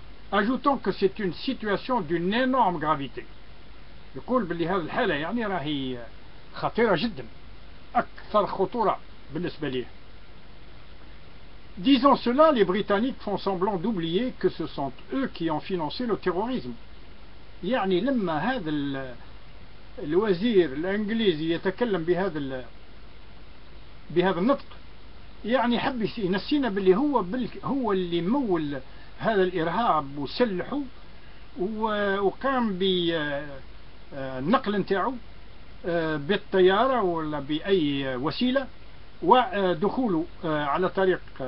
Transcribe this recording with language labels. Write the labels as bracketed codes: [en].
[fr] Ajoutons que c'est une situation d'une énorme gravité. [ar] يقول باللي هذه الحالة يعني راهي خطيرة جدا، أكثر خطورة بالنسبة ليه. [fr] Disant cela, les Britanniques font semblant d'oublier que ce sont eux qui ont financé le terrorisme. [ar] يعني لما هذا الوزير الإنجليزي يتكلم بهذا النطق، يعني حب ينسينا باللي هو اللي مول هذا الإرهاب وسلحه وقام بالنقل نتاعه بالطيارة ولا بأي وسيلة ودخوله على طريق